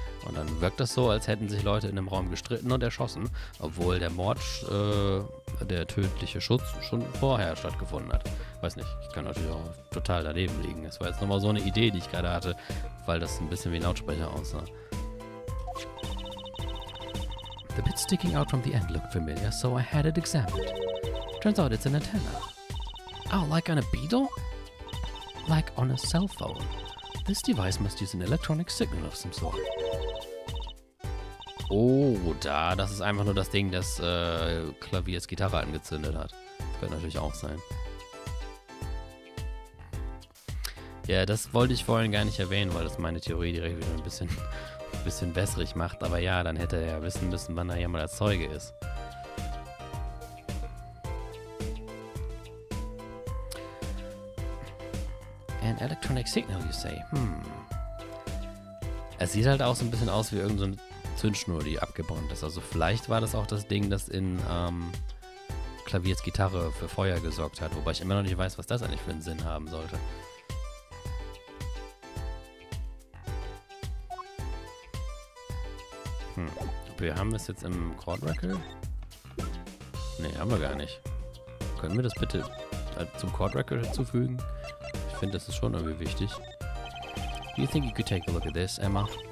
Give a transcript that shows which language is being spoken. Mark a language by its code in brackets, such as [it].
[de] Und dann wirkt das so, als hätten sich Leute in dem Raum gestritten und erschossen, obwohl der Mord, der tödliche Schuss schon vorher stattgefunden hat. Weiß nicht, ich kann natürlich auch total daneben liegen. Es war jetzt nochmal so eine Idee, die ich gerade hatte, weil das ein bisschen wie ein Lautsprecher aussah. [en] The bit sticking out from the end looked familiar, so I had it examined. Turns out it's an antenna. Oh, like on a beetle? Like on a cell phone. This device must use an electronic signal of some sort. [de] Oh, da, das ist einfach nur das Ding, das Klaviers Gitarre angezündet hat. Das könnte natürlich auch sein. Ja, das wollte ich vorhin gar nicht erwähnen, weil das meine Theorie direkt wieder ein bisschen wässrig macht, aber ja, dann hätte er ja wissen müssen, wann er hier mal der Zeuge ist. [en] An electronic signal, you say? Hmm. [de] Es sieht halt auch so ein bisschen aus wie irgendeine Zündschnur, die abgebrannt ist. Also vielleicht war das auch das Ding, das in Klaviers Gitarre für Feuer gesorgt hat, wobei ich immer noch nicht weiß, was das eigentlich für einen Sinn haben sollte. Wir haben es jetzt im Court Record? Ne, haben wir gar nicht. Können wir das bitte zum Court Record hinzufügen? Ich finde, das ist schon irgendwie wichtig. [en] Do you think you could take a look at this, Emma?